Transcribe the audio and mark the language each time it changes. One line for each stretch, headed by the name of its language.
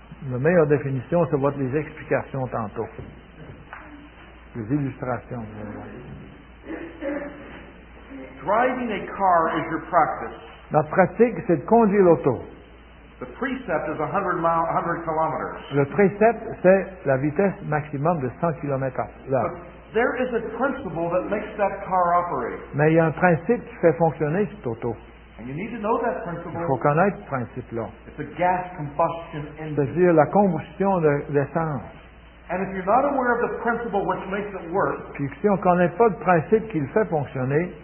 French: La meilleure définition, ça va être les explications tantôt. Les illustrations.
English: Driving a car is your practice.
French: Notre pratique, c'est de conduire l'auto.
English: The precept is 100 kilometers.
French: Le précepte, c'est la vitesse maximum de 100 km l'heure.
English: But there is a principle that makes that car operate.
French: Mais il y a un principe qui fait fonctionner cette auto.
English: And you need to know that principle.
French: Il faut connaître ce principe-là.
English: It's a gas combustion engine.
French: C'est-à-dire la combustion de l'essence.
English: And if you're not aware of the principle which makes it work,
French: puis si on ne connaît pas le principe qui le fait fonctionner,